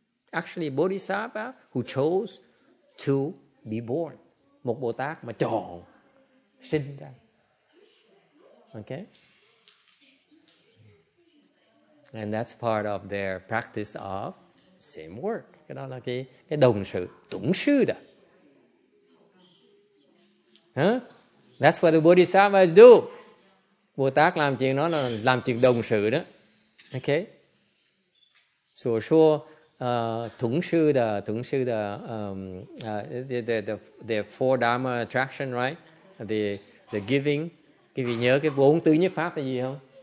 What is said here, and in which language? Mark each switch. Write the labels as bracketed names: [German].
[English] Actually, Bodhisattva who chose to be born. [Vietnamese] Một Bồ Tát mà chọn sinh ra. [English] Okay? And that's part of their practice of same work. [Vietnamese] Cái đó là cái đồng sự, tụng sư đó. Huh? [English] That's what the Bodhisattvas do. [Vietnamese] Bồ Tát làm chuyện đó là làm chuyện đồng sự đó. [English] Okay? So sure, the four dharma attraction, right? The the giving. [Vietnamese] Quý vị nhớ cái bốn tứ nhất pháp là gì không?